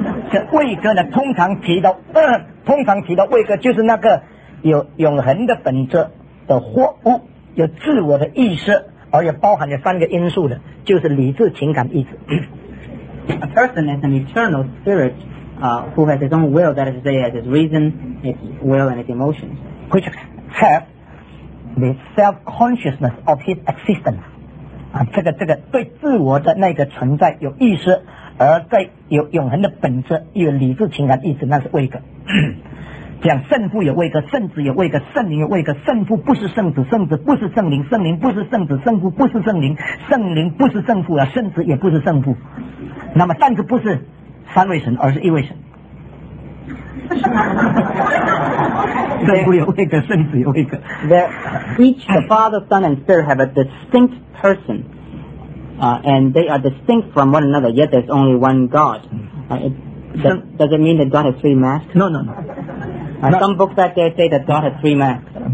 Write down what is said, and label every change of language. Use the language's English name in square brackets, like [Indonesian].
[Chinese] 这魏哥呢，通常提到魏哥就是那个有永恒的本质的活物，有自我的意识，而且包含着三个因素的，就是理智、情感、意志。 [English] A person is an eternal spirit, who has his own will, that is to say, has his reason, its will, and its emotions, which have the self-consciousness of his existence. [Chinese] 啊，这个对自我的那个存在有意识，而在有永恒的本质，有理智、情感、意志，那是位格。讲圣父有位格，圣子有位格，圣灵有位格。圣父不是圣子，圣子不是圣灵，圣灵不是圣子，圣父不是圣灵，圣灵不是圣父啊，圣子也不是圣父。那么但是不是三位神，而是一位神。圣父有位格，圣子有位格。 [English] Each the Father, Son, and Spirit have a distinct person, and they are distinct from one another. Yet there's only one God. Does it mean that God has three masks? No. Some books out there say that God has three masks.